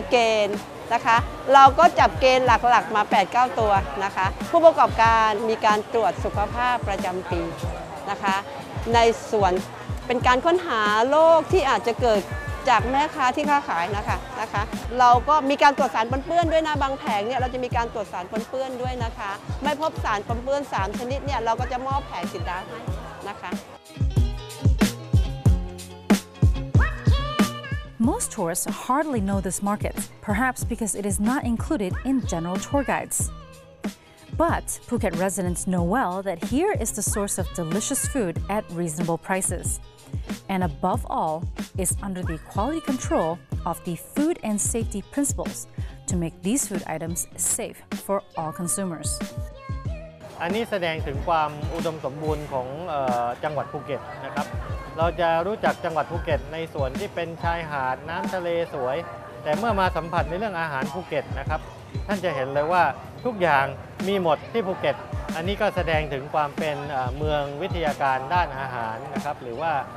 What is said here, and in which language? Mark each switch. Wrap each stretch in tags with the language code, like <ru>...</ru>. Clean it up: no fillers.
<th>เทศบาลเราก็จัดโครงการแผงติดดาวหมายถึงว่าต้องมีเกณฑ์นะคะเราก็จับเกณฑ์หลักๆมา 8-9 ตัวนะคะผู้ประกอบการมีการตรวจสุขภาพประจำปีนะคะในส่วนเป็นการค้นหาโรคที่อาจจะเกิด จากแม่ค้าที่ค้าขายนะคะเราก็มีการตรวจสารปนเปื้อนด้วยนะบางแผงเนี่ยเราจะมีการตรวจสารปนเปื้อนด้วยนะคะไม่พบสารปนเปื้อน3 ชนิดเนี่ยเราก็จะมอบแผงติดดาวให้นะคะ</th> <en>Most tourists hardly know this market, perhaps because it is not included in general tour guides. But Phuket residents know well that here is the source of delicious food at reasonable prices. And above all, is under the quality control of the food and safety principles to make these food items safe for all consumers.</en> <th>อันนี้แสดงถึงความอุดมสมบูรณ์ของจังหวัดภูเก็ตนะครับเราจะรู้จักจังหวัดภูเก็ตในส่วนที่เป็นชายหาดน้ำทะเลสวยแต่เมื่อมาสัมผัสในเรื่องอาหารภูเก็ตนะครับท่านจะเห็นเลยว่าทุกอย่างมีหมดที่ภูเก็ตอันนี้ก็แสดงถึงความเป็นเมืองวิทยาการด้านอาหารนะครับหรือว่า</th>